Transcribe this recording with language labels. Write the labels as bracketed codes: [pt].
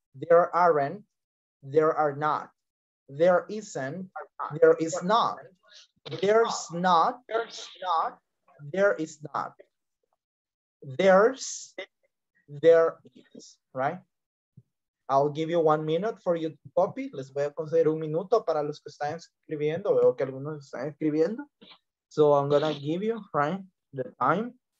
[en] There aren't, there are not. There isn't, there is not. There's not, there's not. There is not. There's, there is, right? I'll give you 1 minute for you to copy. [es] Les voy a conceder un minuto para los que están escribiendo. Veo que algunos están escribiendo. [en] So I'm gonna give you, right, the time.